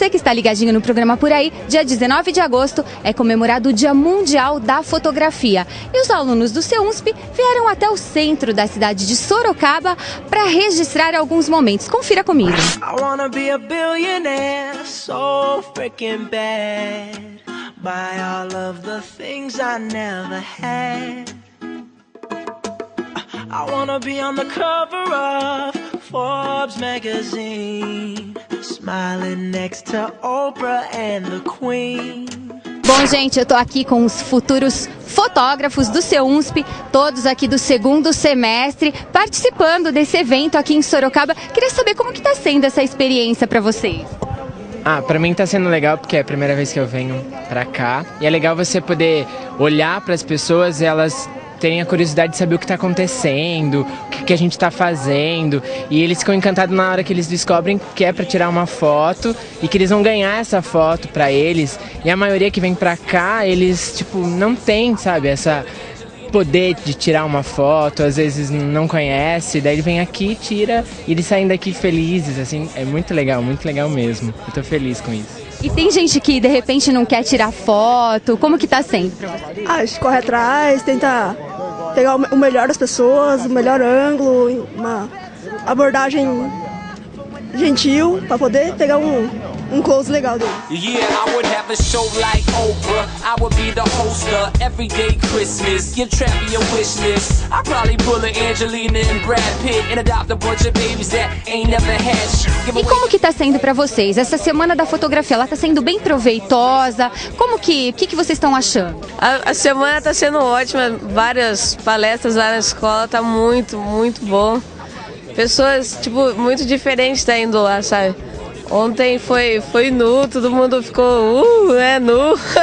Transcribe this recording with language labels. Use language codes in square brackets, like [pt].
[pt] Tá ligadinho no programa por aí, dia 19 de agosto é comemorado o Dia Mundial da Fotografia. E os alunos do CEUNSP vieram até o centro da cidade de Sorocaba para registrar alguns momentos. Confira comigo. [en] I wanna be a billionaire, so freaking bad, by all of the things I never had. I wanna be on the cover of Forbes magazine, smiling next to Oprah and the Queen. [pt] Bom, gente, eu tô aqui com os futuros fotógrafos do CEUNSP, todos aqui do segundo semestre, participando desse evento aqui em Sorocaba. Queria saber como que tá sendo essa experiência para vocês. Ah, para mim tá sendo legal porque é a primeira vez que eu venho para cá. E é legal você poder olhar para as pessoas e elas terem a curiosidade de saber o que está acontecendo, o que a gente está fazendo. E eles ficam encantados na hora que eles descobrem que é para tirar uma foto e que eles vão ganhar essa foto para eles. E a maioria que vem para cá, eles tipo não tem, sabe, essa poder de tirar uma foto, às vezes não conhece, daí ele vem aqui, tira e eles saem daqui felizes, assim, é muito legal mesmo. Eu tô feliz com isso. E tem gente que de repente não quer tirar foto, como que tá sendo? Ah, a gente corre atrás, tenta pegar o melhor das pessoas, o melhor ângulo, uma abordagem gentil pra poder pegar um close legal dele. [en] Yeah, I would have a show like Oprah. I would be the host of Everyday Christmas. Give Travis a wish list. I'd probably pull an Angelina and Brad Pitt and adopt a bunch of babies that ain't never had. [pt] E como que tá sendo pra vocês? Essa semana da fotografia, ela tá sendo bem proveitosa. Como que, o que que vocês estão achando? A semana tá sendo ótima. Várias palestras lá na escola, tá muito, muito bom. Pessoas, tipo, muito diferentes tá indo lá, sabe? Ontem foi nu, todo mundo ficou, nu.